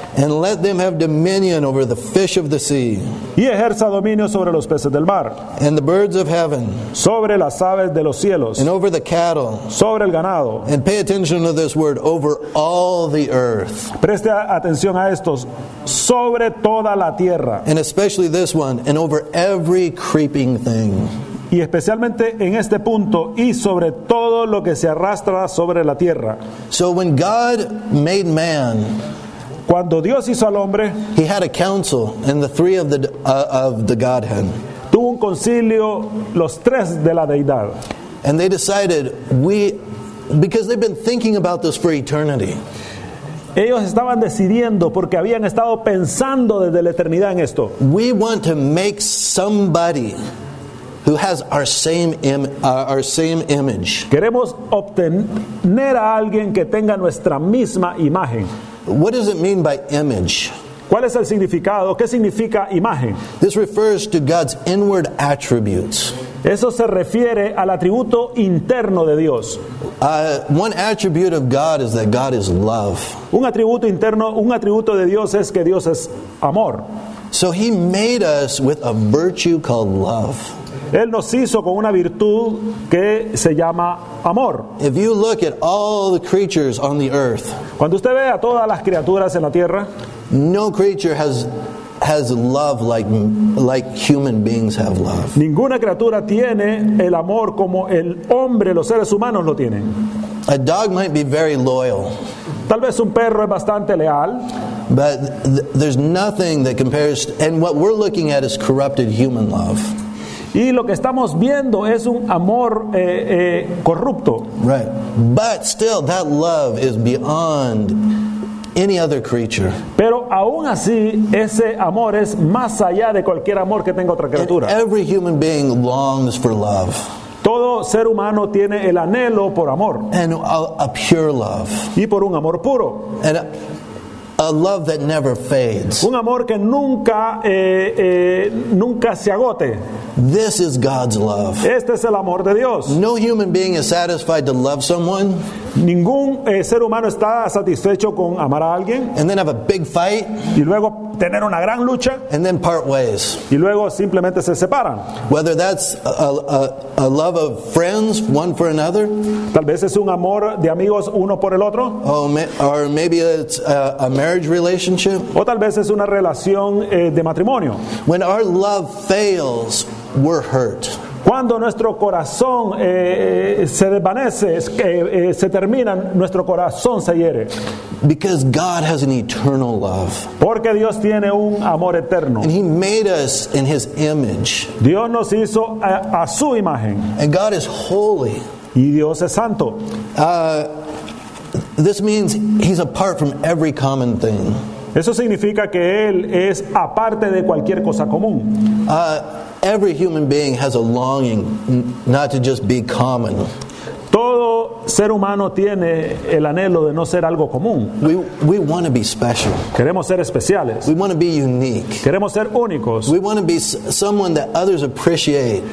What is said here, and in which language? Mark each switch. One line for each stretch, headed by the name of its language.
English: And let them have dominion over the fish of the sea.
Spanish: Y ejerza dominio sobre los peces del mar.
English: And the birds of heaven.
Spanish: Sobre las aves de los cielos.
English: And over the cattle.
Spanish: Sobre el ganado.
English: And pay attention to this word, over all the earth.
Spanish: Preste atención a estos, sobre toda la tierra.
English: And especially this one, and over every creeping thing.
Spanish: Y especialmente en este punto y sobre todo lo que se arrastra sobre la tierra.
English: So when God made man,
Spanish: cuando Dios hizo al hombre,
English: he had a council in the three of the Godhead.
Spanish: Tuvo un concilio los tres de la deidad.
English: And they decided because they've been thinking about this for eternity.
Spanish: Ellos estaban decidiendo porque habían estado pensando desde la eternidad en esto.
English: We want to make somebody who has our same image.
Spanish: Queremos obtener a alguien que tenga nuestra misma imagen.
English: What does it mean by image?
Spanish: ¿Cuál es el significado? ¿Qué significa imagen?
English: This refers to God's inward attributes.
Spanish: Eso se refiere al atributo interno de Dios.
English: One attribute of God is that God is love.
Spanish: Un atributo interno, un atributo de Dios es que Dios es amor.
English: So he made us with a virtue called love.
Spanish: Él nos hizo con una virtud que se llama amor.
English: If you look at all the creatures on the earth,
Spanish: cuando usted ve a todas las criaturas en la tierra,
English: no creature has love like human beings have love.
Spanish: Ninguna criatura tiene el amor como el hombre, los seres humanos lo tienen.
English: A dog might be very loyal.
Spanish: Tal vez un perro es bastante leal.
English: But there's nothing that compares, and what we're looking at is corrupted human love.
Spanish: Y lo que estamos viendo es un amor corrupto.
English: Right. But still, that love is beyond any other creature.
Spanish: Pero aún así, ese amor es más allá de cualquier amor que tenga otra criatura.
English: And every human being longs for love.
Spanish: Todo ser humano tiene el anhelo por amor.
English: And a pure love.
Spanish: Y por un amor puro.
English: And a love that never fades.
Spanish: Un amor que nunca nunca se agote.
English: This is God's love.
Spanish: Este es el amor de Dios.
English: No human being is satisfied to love someone.
Spanish: Ningún ser humano está satisfecho con amar a alguien.
English: And then have a big fight.
Spanish: Y luego tener una gran lucha.
English: And then part ways.
Spanish: Y luego simplemente se separan.
English: Whether that's a love of friends, one for another.
Spanish: Tal vez es un amor de amigos uno por el otro.
English: Or maybe it's a marriage relationship.
Spanish: O tal vez es una relación de matrimonio.
English: When our love fails, we're hurt.
Spanish: Cuando nuestro corazón se desvanece, se termina, nuestro corazón se hiere.
English: Because God has an eternal love.
Spanish: Porque Dios tiene un amor eterno.
English: And he made us in his image.
Spanish: Dios nos hizo a su imagen.
English: And God is holy.
Spanish: Y Dios es santo.
English: This means he's apart from every common thing.
Spanish: Eso significa que él es aparte de cualquier cosa común.
English: Every human being has a longing not to just be common.
Spanish: Todo ser humano tiene el anhelo de no ser algo común.
English: We want to be special.
Spanish: Queremos ser especiales.
English: We want to be unique.
Spanish: Queremos ser únicos.
English: We want to be someone that others appreciate.